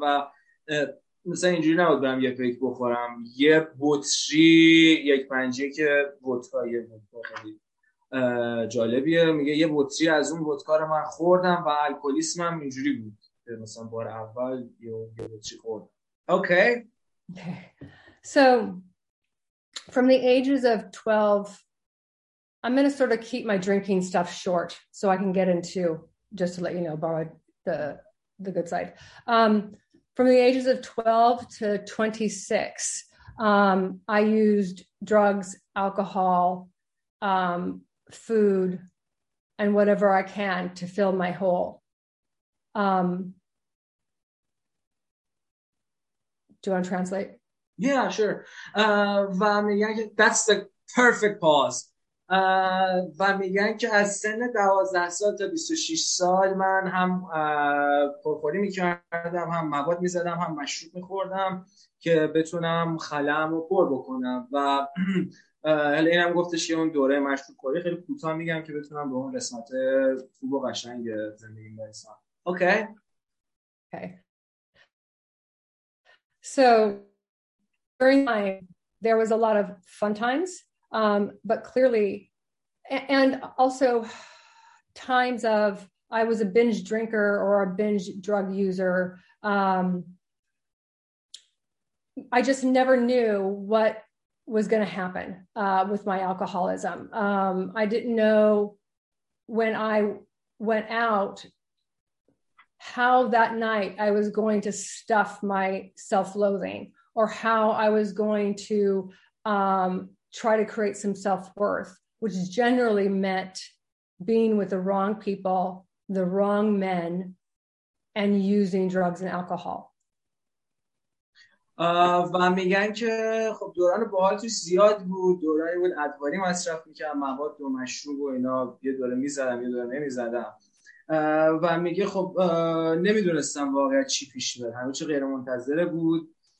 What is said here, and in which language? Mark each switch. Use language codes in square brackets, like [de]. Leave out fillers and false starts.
[fa] و مثلا اینجوری نبود برم یک پیک بخورم، یه بطری یک پنجه که بطری بود، خیلی جالبیه، میگه یه بطری از اون بودکار من خوردم و الکلیسمم اینجوری بود، مثلا بار اول یه بطری خوردم. [en] Okay. So from the ages of 12, I'm going to sort of keep my drinking stuff short so I can get into, just to let you know, borrow the good side. From the ages of 12 to 26, I used drugs, alcohol, food, and whatever I can to fill my hole. Do you want to translate? Yeah, sure. That's the perfect pause. [fa] و میگن که از سن 12 سال تا 26 سال من هم پرخوری میکردم، هم مواد میزدم، هم مشروب میخوردم که بتونم خلأم رو پر بکنم. و حالا اینم گفتش که اون دوره مشروب خوری خیلی کوتاه میگم که بتونم به اون رسمت خوب و قشنگ زندگی برسم. [en] Okay. Okay. So during my there was a lot of fun times. But clearly, and also times of I was a binge drinker or a binge drug user, I just never knew what was going to happen with my alcoholism. I didn't know when I went out how that night I was going to stuff my self-loathing or how I was going to try to create some self-worth, which generally meant being with the wrong people, the wrong men, and using drugs and alcohol. [fa] و میگن که خب دوران باحال توش زیاد بود، دورانی بود ادواری مصرف میکردم، مواد و مشروب و اینا، یه دوره میزدم یه دوره نمیزدم. و میگه خب نمیدونستم واقعا چی پیش میاد، همه چی غیر منتظره بود.